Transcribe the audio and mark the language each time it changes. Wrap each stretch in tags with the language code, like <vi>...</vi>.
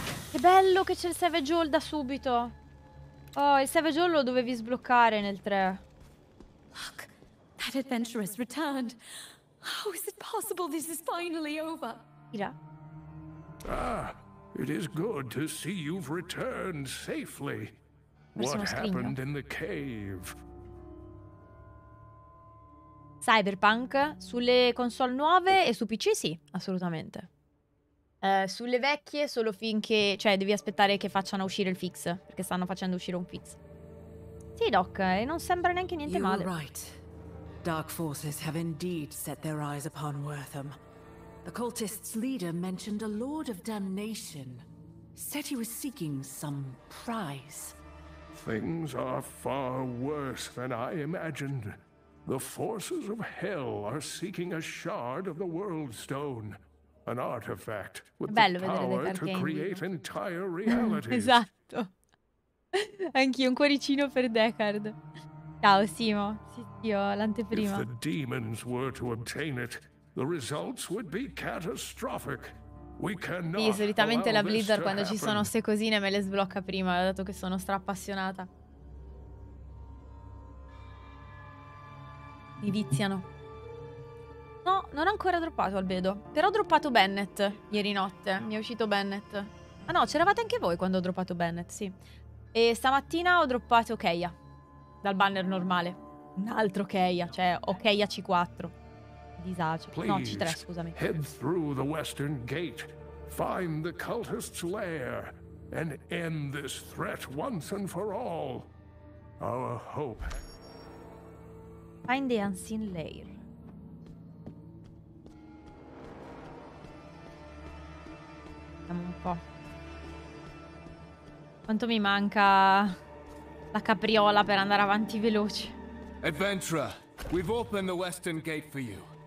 <it>Che bello che c'è il Savage Hall da subito. Oh, il Savage Hall lo dovevi sbloccare nel 3.</it> <en>Look, that adventure has returned. How is it possible this is finally over? Ira. Ah. It is good to see you've returned safely. What happened in the cave?</en> <it>Cyberpunk sulle console nuove e su PC sì, assolutamente. Sulle vecchie solo finché, cioè devi aspettare che facciano uscire il fix, perché stanno facendo uscire un fix. Sì, Doc, e non sembra neanche niente male.</it> <en>You're right. Dark forces have indeed set their eyes upon Wortham. The cultist's leader mentioned a Lord of Damnation. Said he was seeking some prize. Things are far worse than I imagined. The forces of hell are seeking a shard of the World Stone, an artifact with</en> <it>Bello</it> <en>the power to create entire realities.</en> <it>Esatto. Anch'io un cuoricino per Deckard. Ciao Simo. Sì, io l'anteprima.</it> <en>If the demons were to obtain it, the results would be catastrophic. We cannot.</en> <it>Sì, solitamente la Blizzard quando ci sono ste cosine me le sblocca prima, dato che sono stra appassionata. Mi viziano. No, non ho ancora droppato Albedo. Però ho droppato Bennett ieri notte. Mi è uscito Bennett. Ah no, c'eravate anche voi quando ho droppato Bennett, sì. E stamattina ho droppato Keia dal banner normale. Un altro Keia, cioè Keia C4. Disagio. No, C3, scusami.</it> <en>Head through the western gate. Find the cultist's lair and end this threat once and for all. Our hope. Find the unseen lair.</en> <it>Vediamo un po'. Quanto mi manca la capriola per andare avanti veloce.</it> <en>Adventurer, we've opened the western gate for you.</en>